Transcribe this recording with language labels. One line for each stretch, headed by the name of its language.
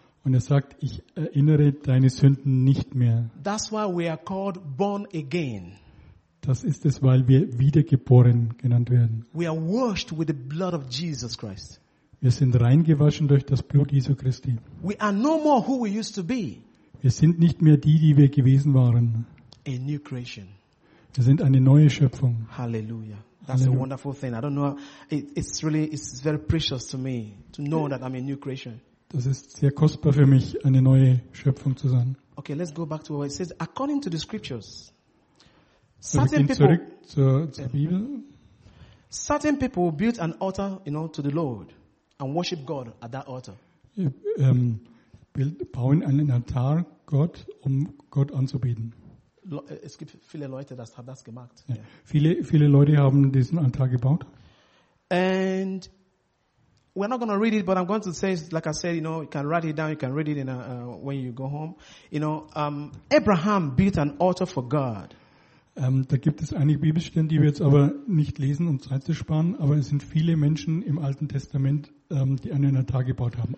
German: Und er sagt, ich erinnere deine Sünden nicht mehr.
English: That's why we are called born again.
German: Das ist es, weil wir wiedergeboren genannt werden.
English: We are washed with the blood of Jesus Christ.
German: Wir sind reingewaschen durch das Blut Jesu Christi.
English: We are no more who we used to be.
German: Wir sind nicht mehr die wir gewesen waren.
English: A new creation.
German: Wir sind eine neue Schöpfung.
English: Halleluja. That's Hallelujah. A wonderful thing. I don't know. It's very precious to me to know that I'm a new creation.
German: Das ist sehr kostbar für mich, eine neue Schöpfung zu sein.
English: Okay, let's go back to what it says. According to the scriptures, certain people built an altar, you know, to the Lord and worship God at that altar.
German: Bauen einen Altar Gott, um Gott anzubeten. Es gibt viele Leute, das hat das gemacht. Ja. Viele Leute haben diesen Altar gebaut.
English: And we're not going to read it, but I'm going to say, like I said, you know, you can write it down, you can read it in a, when you go home. You know, Abraham built an altar for God.
German: Da gibt es einige Bibelstellen, die wir jetzt aber nicht lesen, um Zeit zu sparen. Aber es sind viele Menschen im Alten Testament, die einen Altar gebaut haben.